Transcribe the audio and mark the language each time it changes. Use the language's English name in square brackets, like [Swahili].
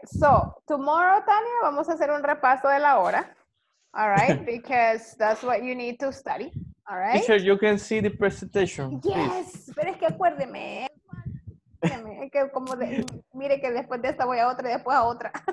[English] So tomorrow, [Spanish] Tania, vamos a hacer un repaso de la hora. [English] All right, because that's what you need to study. All right. Teacher, you can see the presentation. Yes, please. [Spanish] Pero es que acuérdeme. Es que como de, mire que después de esta voy a otra y después a otra.